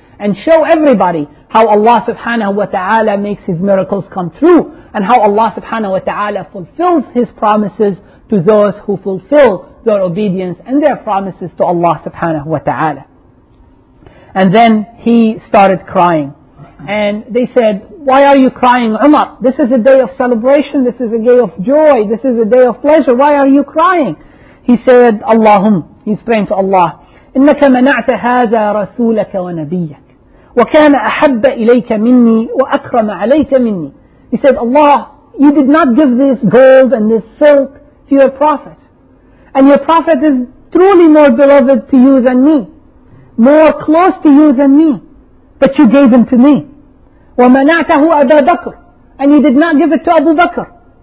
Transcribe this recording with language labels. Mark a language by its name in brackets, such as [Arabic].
[English] And show everybody how Allah subhanahu wa ta'ala makes His miracles come true, and how Allah subhanahu wa ta'ala fulfills His promises to those who fulfill their obedience and their promises to Allah subhanahu wa ta'ala. And then he started crying. And they said, why are you crying, Umar? This is a day of celebration, this is a day of joy, this is a day of pleasure, why are you crying? He said, Allahum, he's praying to Allah, [Arabic] إنك منعت هذا رسولك ونبيك وكان أحب إليك مني وأكرم عليك مني. [English] He said, Allah, you did not give this gold and this silk to your prophet, and your prophet is truly more beloved to you than me, more close to you than me, but you gave him to me. [Arabic] ومنعته أبا بكر, [English] and you did not give it to Abu Bakr.